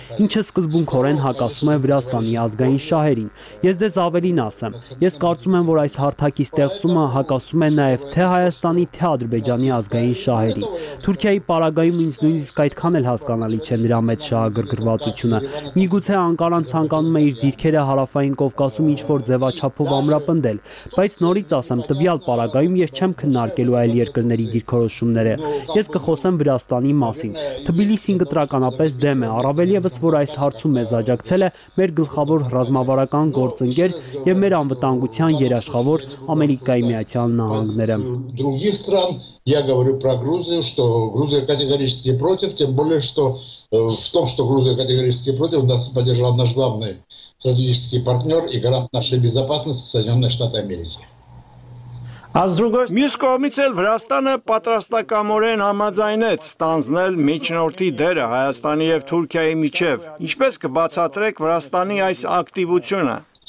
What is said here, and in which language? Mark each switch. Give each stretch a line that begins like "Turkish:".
Armenian: ինչը սկզբունքորեն հակասում է Վրաստանի ազգային շահերին։ Ես դες ավելին ասեմ, ես կարծում եմ, որ այս հարթակի ստեղծումը հակասում է նաև թե Հայաստանի, թե Ադրբեջանի ազգային շահերին։ Թուրքիայի պարագայում ինձ նույնիսկ այդքան էլ հասկանալի չէ նրա մեծ շահագրգռվածությունը։ Միգուցե Անկարան ցանկանում է իր դիրքերը Հարավային Կովկասում ինչ-որ ձևաչափով ամրապնդել, բայց նորից ասեմ, տվյալ պարագայում ես չեմ քննարկելու այլ երկրների դիրքորոշումները։ Ես կխոսեմ Վրաստանի մասին։ Թբիլիսին կտրականապես դեմ է, առավելևս որ այս հարցում մեզ աջակցել է մեր գլխավոր ռազմավարական գործընկեր և մեր անվտանգության երաշխավոր Ամերիկայի միացյալ նահանգները։
Russian: Я говорю про Грузию, что Грузия категорически против, тем более что в том, что Грузия категорически против, нас поддержал наш главный стратегический партнёр и гарант нашей безопасности Соединённые Штаты Америки.
Armenian: Մյուս կողմից էլ Վրաստանը պատրաստակամորեն համաձայնեց ստանձնել միջնորդի դերը Հայաստանի և Թուրքիայի միջև։ Ինչպես կբացատրեք Վրաստանի այս ակտիվությունը։